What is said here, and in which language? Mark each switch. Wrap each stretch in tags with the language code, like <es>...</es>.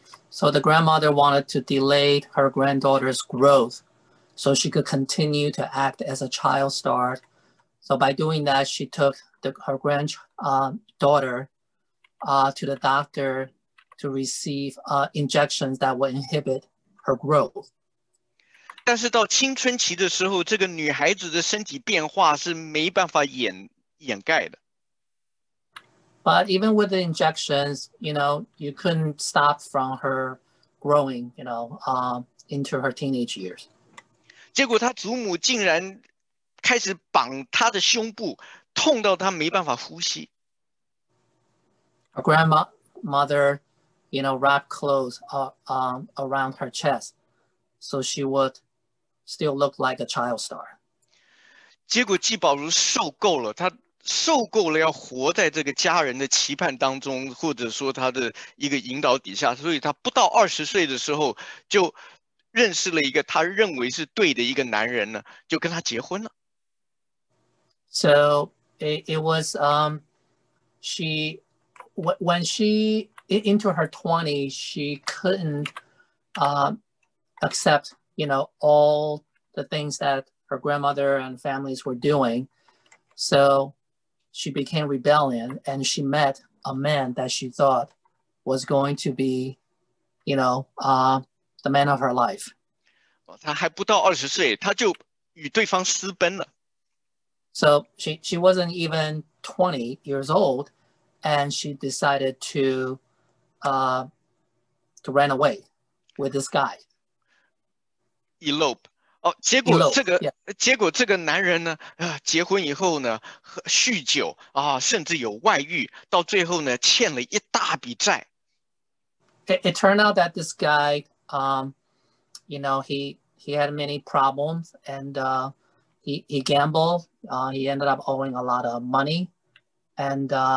<en>So the grandmother wanted to delay her granddaughter's growth so she could continue to act as a child star. So by doing that, she took her granddaughter to the doctor to receive injections that would inhibit her growth.</en> <zh>但是到青春期的时候，这个女孩子的身体变化是没办法掩盖的。</zh> <en>But even with the injections, you couldn't stop from her growing, into her teenage years.</en> <zh>结果她祖母竟然开始绑他的胸部，痛到他没办法呼吸。</zh> <en>Our grandmother, you know, wrapped clothes around her chest, so she would still look like a child star.</en> <zh>结果纪宝如受够了，他受够了要活在这个家人的期盼当中，或者说他的一个引导底下，所以他不到二十岁的时候就认识了一个他认为是对的一个男人呢，就跟他结婚了。</zh> <en>So it was she when she into her 20s, she couldn't accept, you know, all the things that her grandmother and families were doing. So she became rebellion and she met a man that she thought was going to be, you know, the man of her life.</en> <zh>她还不到二十岁，她就与对方私奔了。</zh> <en>So she wasn't even 20 years old, and she decided to run away with this guy.</en> <zh>Elope. 哦，结果这个</zh> <en>Elope,、yeah.</en> <zh>结果这个男人呢，结婚以后呢，酗酒啊，甚至有外遇，到最后呢，欠了一大笔债。</zh> <en>It turned out that this guy, you know, he had many problems and. He gambled. He ended up owing a lot of money, and</en>